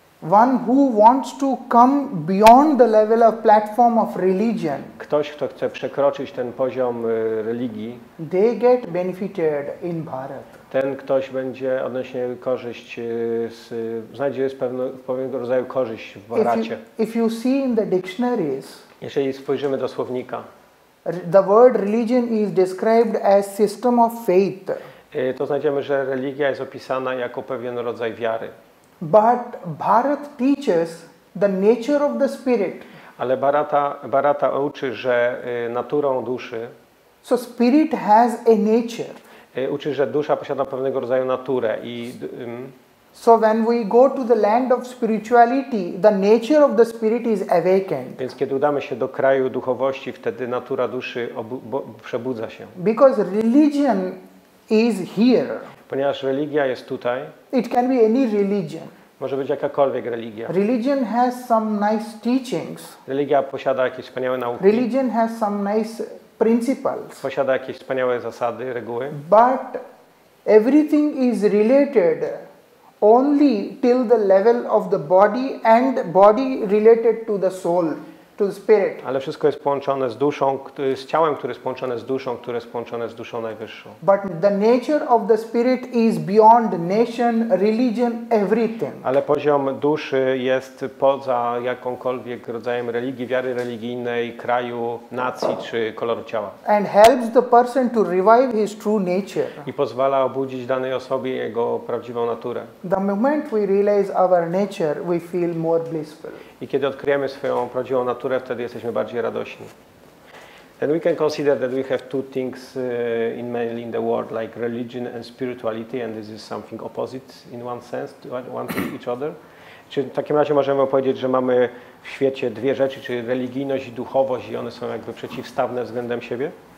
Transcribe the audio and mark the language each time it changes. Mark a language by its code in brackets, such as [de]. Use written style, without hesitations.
[en] One who wants to come beyond the level of platform of religion. [pl] Ktoś, kto chce przekroczyć ten poziom religii. [en] They get benefited in Bharat. [pl] Ten ktoś będzie odnośnie korzyść znajdzie jest pewnego rodzaju korzyść w Bharacie. [en] If you see in the dictionaries. [pl] Jeżeli spojrzymy do słownika. [en] The word religion is described as system of faith. [pl] To znajdziemy, że religia jest opisana jako pewien rodzaj wiary. [en] But Bharat teaches the nature of the spirit. [pl] Ale Bharata uczy, że naturą duszy. [en] So spirit has a nature. [pl] Uczy, że dusza posiada pewnego rodzaju naturę i. [en] So when we go to the land of spirituality, the nature of the spirit is awakened. [pl] Więc kiedy udamy się do kraju duchowości, wtedy natura duszy przebudza się. [en] Because religion is here. [pl] Ponieważ religia jest tutaj. [en] It can be any religion. [pl] Może być jakakolwiek religia. [en] Religion has some nice teachings. [pl] Religia posiada jakieś wspaniałe nauki. [en] Religion has some nice principles. [pl] Posiada jakieś wspaniałe zasady, reguły. [en] But everything is related only till the level of the body and body related to the soul. To the spirit. [pl] Ale wszystko jest połączone z duszą, z ciałem, które jest połączone z duszą, które jest połączone z duszą najwyższą. [en] But the nature of the spirit is beyond nation, religion, everything. [pl] Ale poziom duszy jest poza jakąkolwiek rodzajem religii, wiary religijnej, kraju, nacji czy koloru ciała. [en] And helps the person to revive his true nature. [pl] I pozwala obudzić danej osobie jego prawdziwą naturę. [en] The moment we realize our nature, we feel more blissful. [pl] I kiedy odkryjemy swoją prawdziwą naturę, wtedy jesteśmy bardziej radośni. [en] Then we can consider that we have two things in mainly in the world, like religion and spirituality, and this is something opposite in one sense to one to each other. [pl] Czy w takim razie możemy powiedzieć, że mamy w świecie dwie rzeczy, czyli religijność i duchowość, i one są jakby przeciwstawne względem siebie?